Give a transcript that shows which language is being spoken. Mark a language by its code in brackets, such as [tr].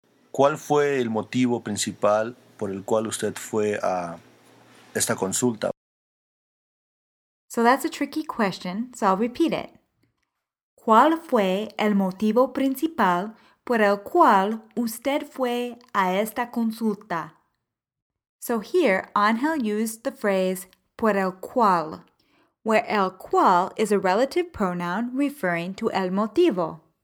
[es] ¿Cuál fue el motivo principal por el cual usted fue a esta consulta? [en] So that's a tricky question, so I'll repeat it. [es] ¿Cuál fue el motivo principal por el cual usted fue a esta consulta? [en] So here, Ángel used the phrase por el cual, where el cual is a relative pronoun referring to el motivo.